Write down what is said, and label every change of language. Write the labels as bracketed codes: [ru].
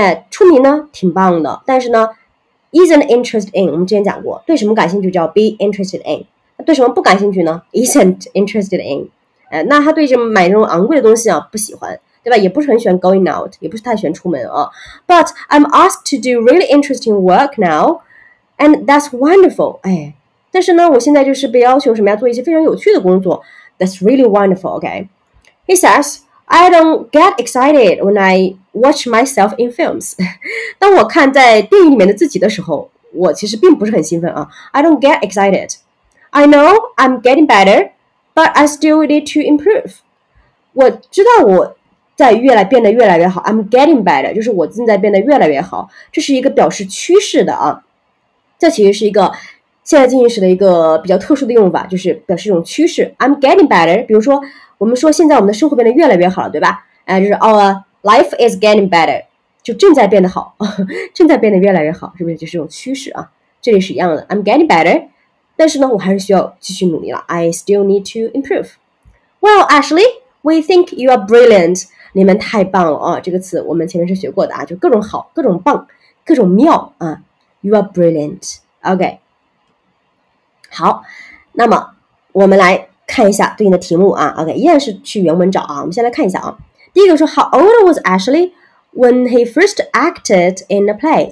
[zh] 出名呢挺棒的，但是呢 [en] isn't interested in, [zh] 我们之前讲过，对什么感兴趣叫 [en] be interested in。 [zh] 对什么不感兴趣呢 ? [en] isn't interested in。 [zh] 那他对这买这种昂贵的东西啊不喜欢，对吧？也不是很喜欢 [en] going out， [zh] 也不是太喜欢出门啊。 [en] But I'm asked to do really interesting work now, and that's wonderful. [zh] 哎，但是呢，我现在就是被要求什么呀？做一些非常有趣的工作。 [en] That's really wonderful. Okay. He says I don't get excited when I watch myself in films. [zh] 当我看在电影里面的自己的时候，我其实并不是很兴奋啊。 [en] I don't get excited. I know I'm getting better.But I still need to improve. [zh] 我知道我在越来变得越来越好 ， [en] I'm getting better， [zh] 就是我正在变得越来越好，这是一个表示趋势的啊，这其实是一个现在进行时的一个比较特殊的用法，就是表示一种趋势 ，I'm getting better， 比如说我们说现在我们的生活变得越来越好了，对吧？哎，就是 [en] our life is getting better， [zh] 就正在变得好，正在变得越来越好，是不是就是一种趋势啊？这里是一样的 ， [en] I'm getting better， [zh] 但是呢，我还是需要继续努力了 ， [en] I still need to improve。 Well, Ashley。 We think you are brilliant. [zh] 你们太棒了啊！这个词我们前面是学过的啊，就各种好、各种棒、各种妙啊。 [en] You are brilliant. OK. [zh] 好，那么我们来看一下对应的题目啊。 OK， 依然是去原文找啊。我们先来看一下啊。第一个说 [en] ，How old was Ashley when he first acted in a play？